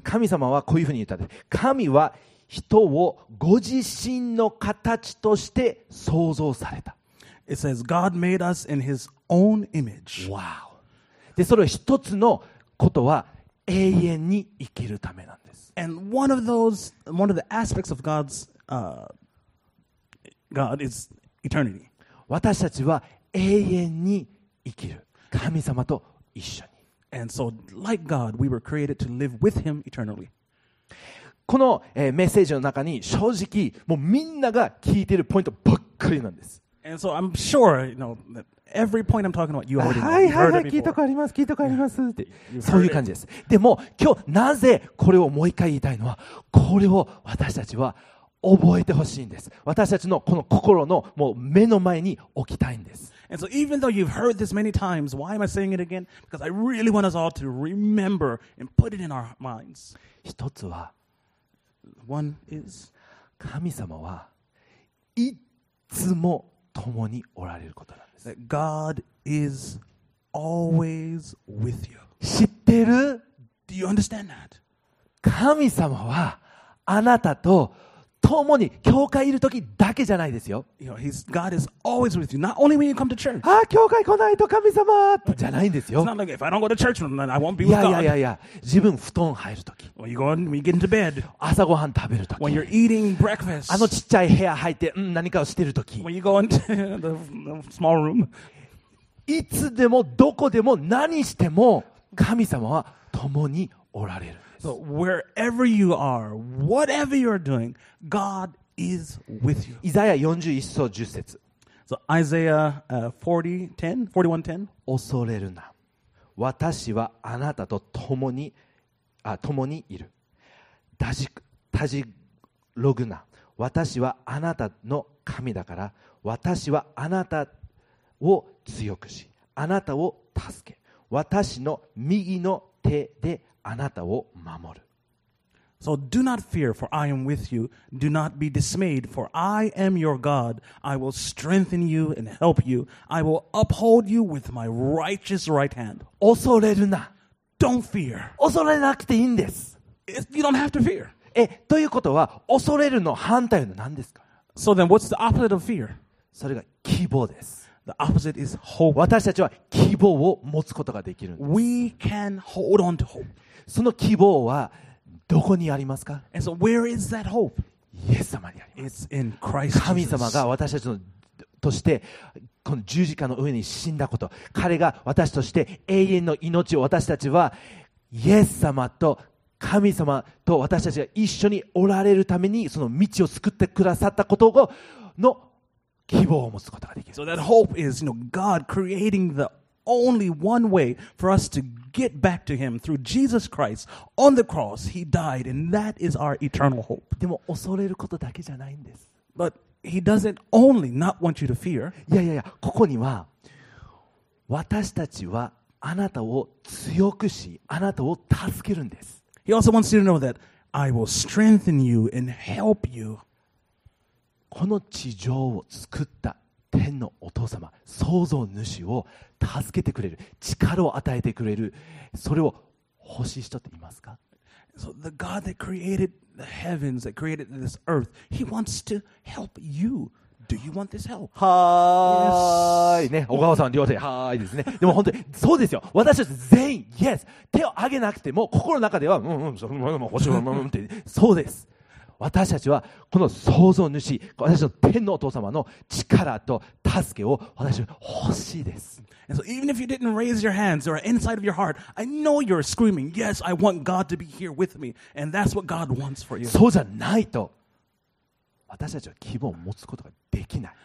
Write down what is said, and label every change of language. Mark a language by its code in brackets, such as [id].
[ja] 神様はこういうふうに言ったんです。神は人をご自身の形として創造された。 [en] It says God made us in His own image. Wow. [ja] で、それは一つのことは永遠に生きるためなんです。 [en] And one of those, one of the aspects of God's, God is eternity. [ja] 私たちは永遠に生きる。神様と一緒に。 [en] And so, like God, we were created to live with Him eternally. [ja] この、メッセージの中に正直もうみんなが聞いてるポイントばっかりなんです。 [en] And so I'm sure, you know, that every point I'm talking about, you already heard it before. [ja] はいはいはい、聞いたことあります、聞いたことありますって、そういう感じです。でも今日なぜこれをもう一回言いたいのは、これを私たちは覚えてほしいんです。私たちのこの心のもう目の前に置きたいんです。 [en] And so even though you've heard this many times, why am I saying it again? Because I really want us all to remember and put it in our minds. [ja] 一つは、 [en] One is, [ja] 神様はいつも共におられることなんです。 [en] God is always with you. [ja] 知ってる? [en] Do you understand that? [ja] 神様はあなたと共に教会いるときだけじゃないですよ。 [en] You know, God is always with you. Not only when you come to church. [ja] ああ、教会来ないと神様じゃないんですよ。 [en] It's not like if I don't go to church, then I won't be with God. [ja] いやいやいや、自分布団入るとき。 [en] When you go and get into bed. [ja] 朝ごはん食べるとき。 [en] When you're eating breakfast. [ja] あのちっちゃい部屋入って、うん、何かをしてるとき。 [en] When you go into the small room. [ja] いつでもどこでも何しても神様は共におられる。 [en] So wherever you are, whatever you are doing, God is with you. Isaiah 41:10. So Isaiah 40:10, [ja] 41:10. 恐れるな。私はあなたと共にいる。たじろぐな。私はあなたの神だから、私はあなたを強くし、あなたを助け、私の右の手であなたを守る。 [en] So do not fear, for I am with you. Do not be dismayed, for I am your God. I will strengthen you and help you. I will uphold you with my righteous right hand. [ja] 恐れるな。 [en] Don't fear. [ja] 恐れなくていいんです。 [en] You don't have to fear. [ja] ということは、恐れるの反対は何ですか? [en] So then what's the opposite of fear? [ja] それが希望です。 [en] The opposite is hope. [ja] 私たちは希望を持つことができるんです。 [en] We can hold on to hope. [ja] その希望はどこにありますか? [en] And so where is that hope? [ja] イエス様にあります。 [en] It's in Christ Jesus. [ja] 神様が私たちのとしてこの十字架の上に死んだこと、彼が私として永遠の命を、私たちはイエス様と神様と私たちが一緒におられるためにその道を作ってくださったことをの希望を持つことができる。 [en] So that hope is, you know, God creating the only one way for us to get back to Him through Jesus Christ on the cross. He died, and that is our eternal hope. [ja] でも恐れることだけじゃないんです。 [en] But He doesn't only not want you to fear. [ja] いやいやいや、ここには私たちはあなたを強くし、あなたを助けるんです。 [en] He also wants you to know that I will strengthen you and help you. [ja] この地上を作った天のお父様、創造主を助けてくれる、力を与えてくれる、それを欲しい人っていますか? [en] So the God that created the heavens, that created this earth, He wants to help you. Do you want this help? [ja] はーい、ね、小川さん両手はーいですね。でも本当にそうですよ。私たち全員 Yes、手を挙げなくても心の中ではうんうん、そのまま欲しいままってそうです。私たちはこの創造主、私たちの天のお父様の力と助けを私たち欲しいです。 [en] And so even if you didn't raise your hands or inside of your heart, I know you're screaming, yes, I want God to be here with me. And that's what God wants for you. [ja] そうじゃないと私たちは希望を持つことができない。